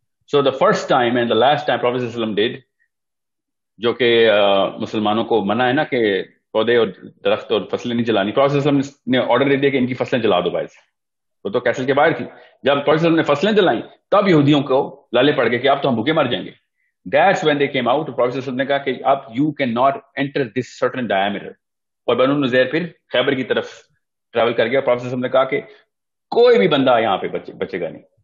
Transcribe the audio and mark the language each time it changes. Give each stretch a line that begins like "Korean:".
English: So the first time and the last time Prophet Sallallahu Alaihi Wasallam did,
Urdu: جو کہ مسلمانوں کو منع ہے نا کہ پودے اور درخت اور فصلیں نہیں جلانی, Prophet Sallallahu Alaihi Wasallam نے آرڈر دے دیا کہ ان کی فصلیں جلا دو باہر سے. وہ تو کیسل کے باہر تھی. جب Prophet Sallallahu Alaihi Wasallam نے فصلیں جلائیں تب یہودیوں کو لالے پڑ گئے کہ آپ تو ہم بھوکے مر جائیں گے.
English: That's when they came out. Prophet Sallallahu Alaihi Wasallam
Urdu: نے کہا کہ آپ
English: you cannot enter this certain diameter.
Urdu: اور بنو نظیر پھر خیبر کی طرف ٹریول کر گیا. Prophet Sallallahu Alaihi Wasallam نے کہا کہ کوئی بھی بندہ یہاں پہ بچے گا نہیں.